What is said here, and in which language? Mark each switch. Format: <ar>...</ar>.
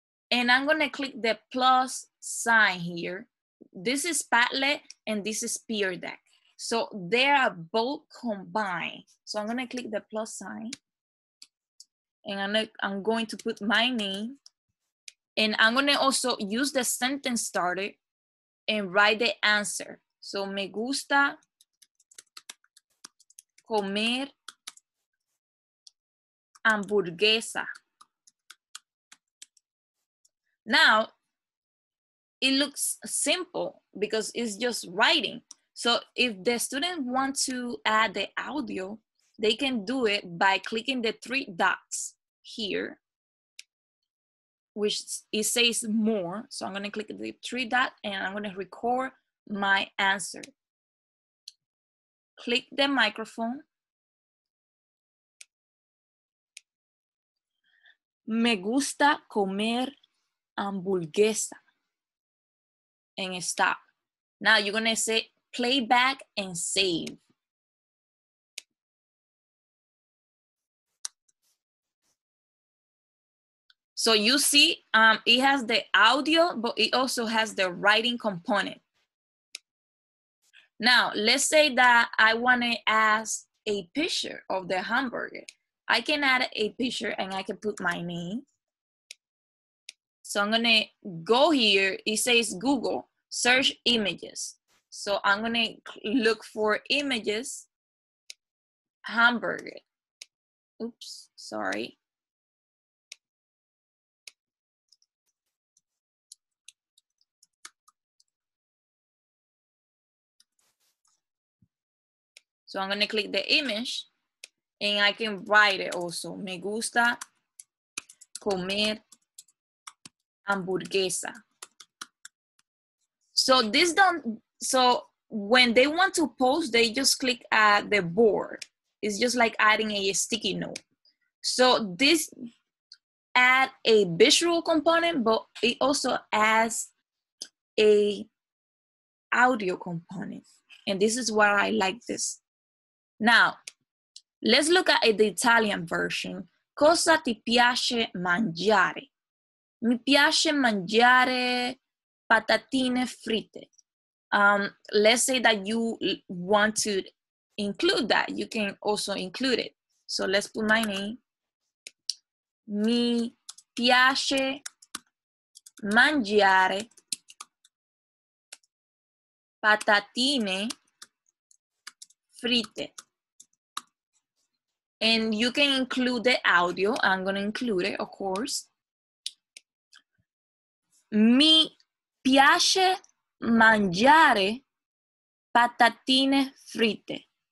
<en>And I'm gonna click the plus sign here. This is Padlet and this is Pear Deck. So they are both combined. So I'm gonna click the plus sign. And I'm going to put my name. And I'm gonna also use the sentence starter and write the answer.</en> <es>So me gusta comer hamburguesa.</es> <en>Now, it looks simple because it's just writing. So if the student wants to add the audio, they can do it by clicking the three dots here, which it says more. So I'm gonna click the three dot and I'm gonna record my answer. Click the microphone.</en> <es>Me gusta comer hamburguesa</es> <en>and stop. Now you're gonna say playback and save. So you see it has the audio but it also has the writing component. Now let's say that I want to ask a picture of the hamburger. I can add a picture and I can put my name. So I'm gonna go here, it says Google, search images. So I'm gonna look for images, hamburger. Oops, sorry. So I'm gonna click the image and I can write it also.</en> <es>Me gusta comer hamburguesa.</es> <en>So this don't, so when they want to post, they just click at the board. It's just like adding a sticky note. So this add a visual component, but it also adds a audio component. And this is why I like this. Now, let's look at the Italian version.</en> <it>Cosa ti piace mangiare? Mi piace mangiare patatine fritte.</it> <en>Let's say that you want to include that. You can also include it. So let's put my name.</en> <it>Mi piace mangiare patatine fritte.</it> <en>And you can include the audio. I'm gonna include it, of course.</en> <it>Mi piace mangiare patatine fritte.</it>